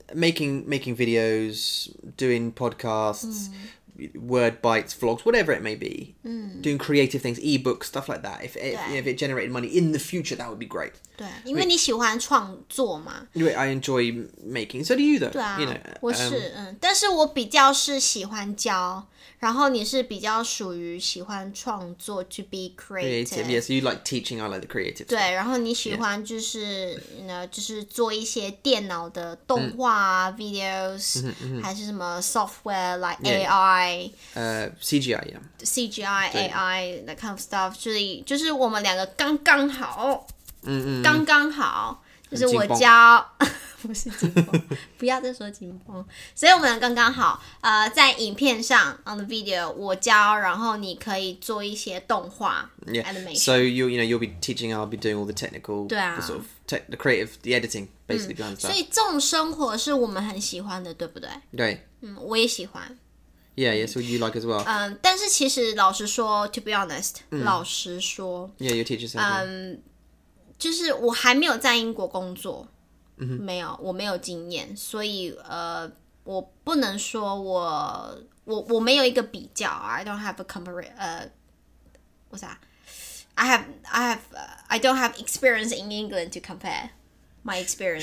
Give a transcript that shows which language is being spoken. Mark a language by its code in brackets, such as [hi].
[en] Making videos, doing podcasts, word bites, vlogs, whatever it may be. 嗯， doing creative things, ebooks, stuff like that. If it generated money in the future, that would be great. [zh] 对，因为你喜欢创作嘛。因为 [en] I enjoy making, so do you though. [zh] 对啊， [en] you know, [zh] 我是但是我比较是喜欢教，然后你是比较属于喜欢创作 ， [en] to be creative. Yes, you like teaching. I like the creative. [zh] 对，然后你喜欢就是就是做一些电脑的动画啊、videos， 还是什么 [en] software like AI， [zh] CGI 呀， [en] CGI AI that kind of stuff. [zh] 就是我们两个刚刚好。嗯，刚刚好，就是我教，不是紧绷，不要再说紧绷。所以我们刚刚好，在影片上 [en] on the video [zh] 我教，然后你可以做一些动画 [en] animation. So you'll be teaching, I'll be doing all the technical, the creative, the editing, basically behind that. [zh] 所以这种生活是我们很喜欢的，对不对？对，我也喜欢。 [en] Yeah, so you like as well. [zh] 但是其实老实说 ， [en] to be honest， [zh] 老实说 [en] ，Yeah, your teacher said. [zh] 就是我还没有在英国工作、 mm-hmm. 没有我没有经验所以我不能说我没有一个比较 [en] I don't have a compare what's that I don't have experience in England to compare my experience.